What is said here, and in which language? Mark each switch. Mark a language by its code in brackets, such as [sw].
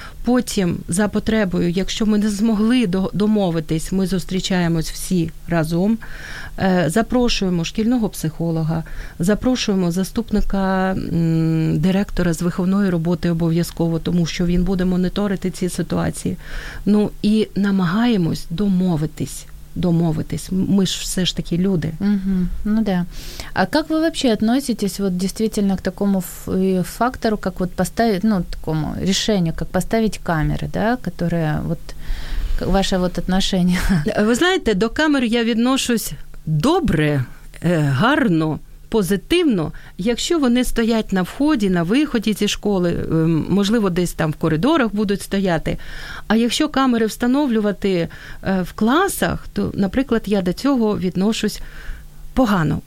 [uk] Потім, за потребою, якщо ми не змогли домовитись, ми зустрічаємось всі разом, запрошуємо шкільного психолога, запрошуємо заступника директора з виховної роботи обов'язково, тому що він буде моніторити ці ситуації. Ну, і намагаємось домовитись. [ru] Мы же все ж таки люди. Ну да. А как вы вообще относитесь вот действительно к такому фактору, как вот поставить, ну, такому решению, как поставить камеры, да, которые вот ваше вот отношение? Вы знаете, [uk] до камер я відношусь добре, гарно, позитивно, якщо вони стоять на вході, на виході зі школи, можливо, десь там в коридорах будуть стояти. А якщо камери встановлювати в класах, то, наприклад, я до цього відношусь погано.